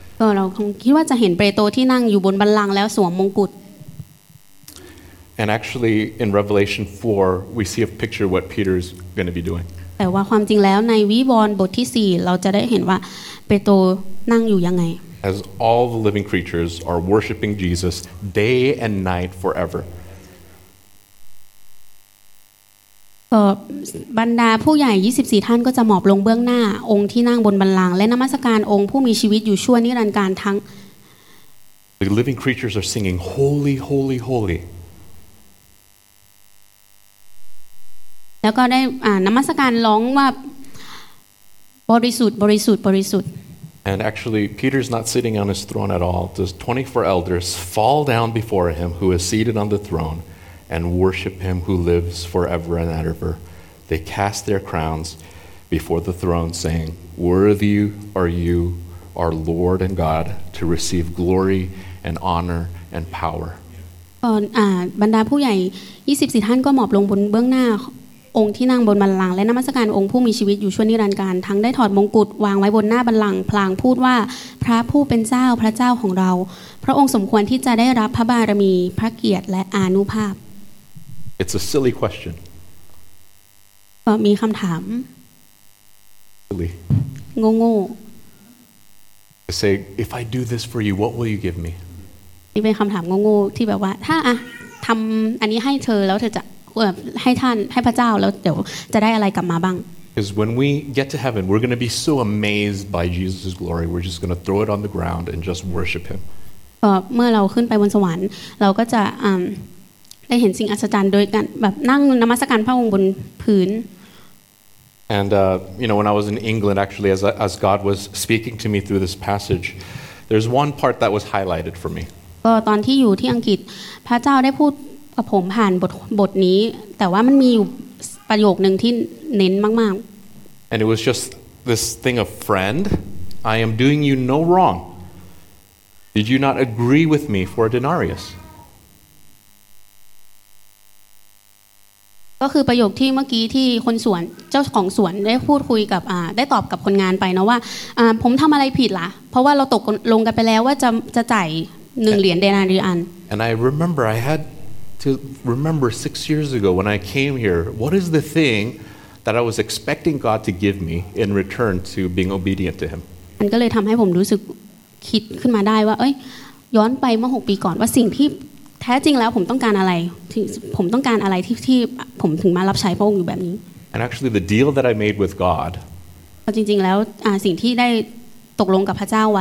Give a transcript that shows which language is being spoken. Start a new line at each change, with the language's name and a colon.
Thai: ก็เราคงคิดว่าจะเห็นเปโตรที่นั่งอยู่บนบัลลังก์แล้วสวมมงกุฎ
English: And actually in Revelation 4 we see a picture what Peter's going to be doing.
Thai: แต่ว่าความจริงแล้วในวิวรณ์บทที่4เราจะได้เห็นว่าเปโตรนั่งอยู่ยังไง
English: As all the living creatures are worshiping Jesus day and night forever.
Thai: ก็บรรดาผู้ใหญ่24ท่านก็จะหมอบลงเบื้องหน้าองค์ที่นั่งบนบัลลังก์และนมัสการองค์ผู้มีชีวิตอยู่ชั่วนิรันดร์กาลทั้ง
English: The living creatures are singing holy holy holy
Thai: แล้วก็ได้นมัสการร้องว่าบริสุทธิ์บริสุทธิ์บริสุทธิ์
English: And actually Peter's not sitting on his throne at all there's 24 elders fall down before him who is seated on the throneAnd worship him who lives forever and ever. They cast their crowns before the throne, saying, "Worthy are you, our Lord and God, to receive glory and honor and power."
Thai: บรรดาผู้ใหญ่24ท่านก็หมอบลงบนเบื้องหน้าองค์ที่นั่งบนบัลลังก์และนมัสการองค์ผู้มีชีวิตอยู่ชั่วนิรันดร์กาลทั้งได้ถอดมงกุฎวางไว้บนหน้าบัลลังก์พลางพูดว่าพระผู้เป็นเจ้าพระเจ้าของเราพระองค์สมควรที่จะได้รับพระบารมีพระเกียรติและอานุภาพ
English: It's a silly question.
Thai: มีคำถาม
English: Silly.
Thai: โง่
English: I say, if I do this for you, what will you give me?
Thai: นี่เป็นคำถามโง่ที่แบบว่าถ้าทำอันนี้ให้เธอแล้วเธอจะให้ท่านให้พระเจ้าแล้วเดี๋ยวจะได้อะไรกลับมาบ้าง
English: Because when we get to heaven, we're going to be so amazed by Jesus' glory, we're just going to throw it on the ground and just worship him.
Thai: ก็เมื่อเราขึ้นไปบนสวรรค์เราก็จะได้เห็นสิ่งอัศจรรย์โดยกันแบบนั่งนมัสการพระองค์บนพื้น
English: And you know when I was in England actually as God was speaking to me through this passage there's one part that was highlighted for me
Thai: ก็ตอนที่อยู่ที่อังกฤษพระเจ้าได้พูดกับผมผ่านบทนี้แต่ว่ามันมีอยู่ประโยคนึงที่เน้นมาก
English: ๆ And it was just this thing of friend I am doing you no wrong Did you not agree with me for a denarius
Thai: ก็็คือประโยคที่เมื่อกี้ที่คนสวนเจ้าของสวนได้พูดคุยกับได้ตอบกับคนงานไปนะว่าผมทำอะไรผิดล่ะเพราะว่าเราตกลงกันไปแล้วว่าจะจ่ายหนึ่งเหรียญเดนารีอัน
English: And I remember I had to remember 6 years ago when I came here what is the thing that I was expecting God to give me in return to being obedient to Him
Thai: มันก็เลยทำให้ผมรู้สึกคิดขึ้นมาได้ว่าเอ้ยย้อนไปเมื่อ6 ปีก่อนว่าสิ่งที่แท้จริงแล้วผมต้องการอะไรผมต้องการอะไรที่ผมถึงมารับใช้พระองค์อยู่แบบนี้
English: And actually the deal that I made with God
Thai: จริงๆแล้วสิ่งที่ได้ตกลงกับพระเจ้าไว